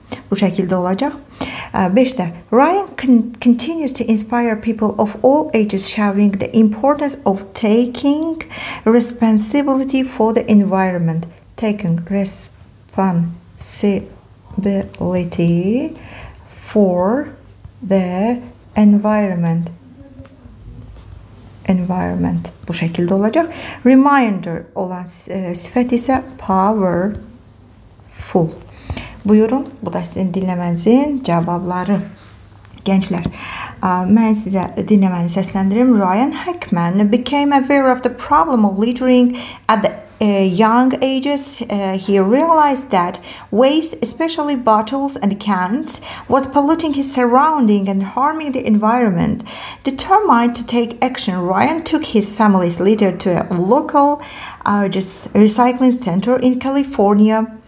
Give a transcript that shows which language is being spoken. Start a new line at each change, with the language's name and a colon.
Azerbaijani: Bu şəkildə olacaq. Beşdə,
English: Ryan continues to inspire people of all ages, showing the importance of taking responsibility for the environment. Taking responsibility for the environment.
Azerbaijani: Environment. Bu şəkildə olacaq. Reminder olan sifət isə powerful. Buyurun, bu da sizin dinləmənizin cavabları. Gənclər, mən sizə dinləməni səsləndirim.
English: Ryan Hackman became aware of the problem of littering at the young ages. He realized that waste, especially bottles and cans, was polluting his surrounding and harming the environment. Determined to take action, Ryan took his family's litter to a local recycling center in California.